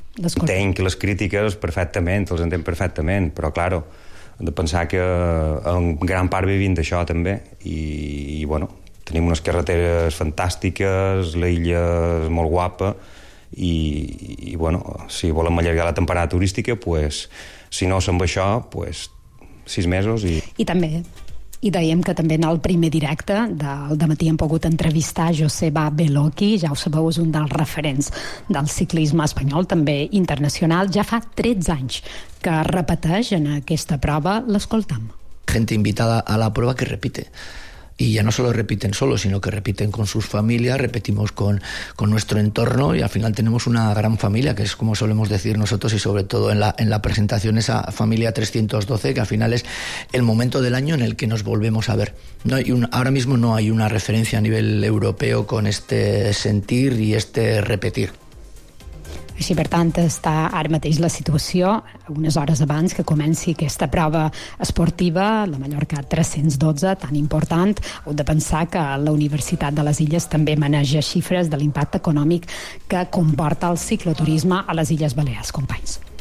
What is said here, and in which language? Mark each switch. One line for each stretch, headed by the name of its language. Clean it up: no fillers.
Catalan: Entenc les crítiques perfectament, els entenc perfectament, però, claro, de pensar que en gran part vivim d'això també i bueno, tenim unes carreteres fantàstiques, l'illa és molt guapa i bueno, si volem allargar la temporada turística, pues, si no som això, pues, 6 mesos i també, i dèiem que també en el primer directe del dematí hem pogut entrevistar Joseba Beloki, ja ho sabeu, és un dels referents del ciclisme espanyol, també internacional, ja fa 13 anys que repeteix en aquesta prova. L'escoltam.
Spanish: Gente invitada a la prueba que repite. Y ya no solo repiten solo, sino que repiten con sus familias, repetimos con nuestro entorno y al final tenemos una gran familia, que es como solemos decir nosotros y sobre todo en la presentación, esa familia 312, que al final es el momento del año en el que nos volvemos a ver. No hay ahora mismo no hay una referencia a nivel europeo con este sentir y este repetir.
Catalan: Així, per tant, està ara mateix la situació, unes hores abans que comenci aquesta prova esportiva, la Mallorca 312, tan important. Heu de pensar que la Universitat de les Illes també maneja xifres de l'impacte econòmic que comporta el cicloturisme a les Illes Balears, companys.